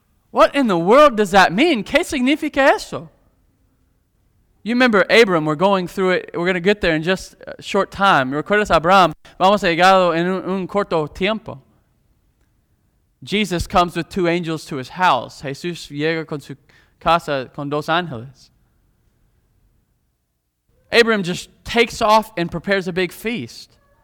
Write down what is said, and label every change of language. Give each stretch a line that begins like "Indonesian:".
English: What in the world does that mean?
Spanish: ¿Qué significa eso?
English: You remember Abram, we're going through it. We're going to get there in just a short time.
Spanish: ¿Recuerdas Abraham? Vamos a llegar en un corto tiempo.
English: Jesus comes with two angels to his house.
Spanish: Jesús llega con su casa con dos ángeles.
English: Abram just takes off and prepares a big feast.